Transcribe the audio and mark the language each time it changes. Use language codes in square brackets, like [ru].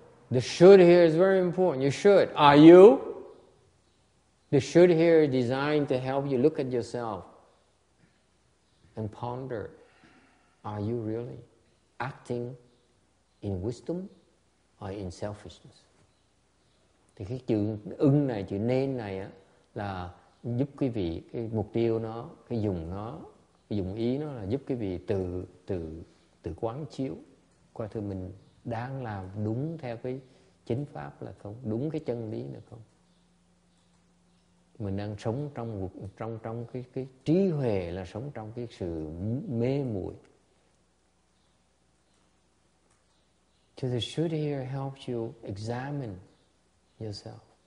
[en] The should here is very important. You should. Are you? The should here is designed to help you look at yourself and ponder. Are you really acting in wisdom or in selfishness? [vi] Thì cái chữ ưng này, chữ nên này á, là giúp quý vị cái mục tiêu nó, cái dùng nó, dụng ý nó là giúp quý vị từ quán chiếu coi thử mình đang làm đúng theo cái chính pháp là không, đúng cái chân lý là không, mình đang sống trong cái trí huệ là sống trong cái sự mê muội. [en] So the should here helps you examine yourself.